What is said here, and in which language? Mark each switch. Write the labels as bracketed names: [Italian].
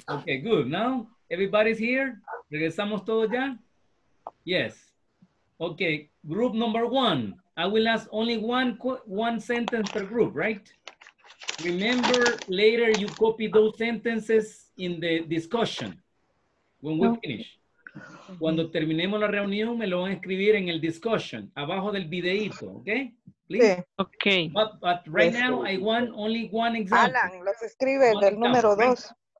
[English] Okay, good. Now, everybody's here? [Spanish] ¿Regresamos todos ya? [English] Yes. Okay, group number one. I will ask only one sentence per group, right? Remember, later you copy those sentences in the discussion when we finish. [Spanish] Cuando terminemos la reunión, me lo van a escribir en el discussion, abajo del videíto, ¿ok? [English] Please. Sí. Ok. But right now, I want only one example. [Spanish] Alan, los escribe one del example, número dos.